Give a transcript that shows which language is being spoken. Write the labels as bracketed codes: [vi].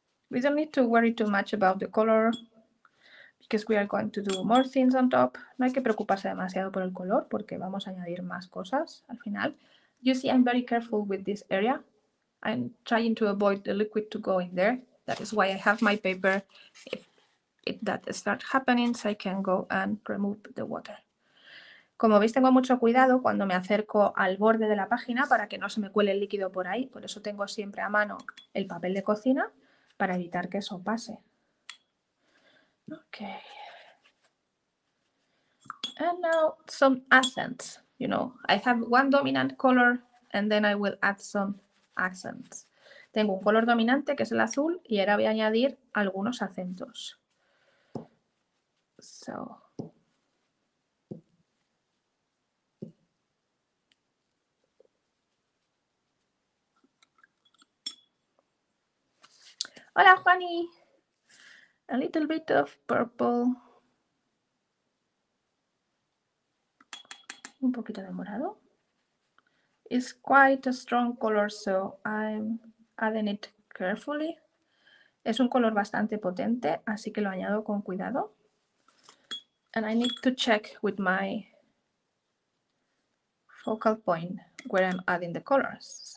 [en] We don't need to worry too much about the color because we are going to do more things on top. [es] No hay que preocuparse demasiado por el color porque vamos a añadir más cosas al final. [en] You see, I'm very careful with this area. I'm trying to avoid the liquid to go in there. That is why I have my paper. If that starts happening, so I can go and remove the water. [es] Como veis, tengo mucho cuidado cuando me acerco al borde de la página para que no se me cuele el líquido por ahí. Por eso tengo siempre a mano el papel de cocina para evitar que eso pase. [en] Okay. And now some accents. You know, I have one dominant color and then I will add some accents. [es] Tengo un color dominante que es el azul y ahora voy a añadir algunos acentos. [en] So. Hola, Juani. A little bit of purple. [es] Un poquito de morado. [en] It's quite a strong color, so I'm adding it carefully. [es] Es un color bastante potente, así que lo añado con cuidado. [en] And I need to check with my focal point where I'm adding the colors.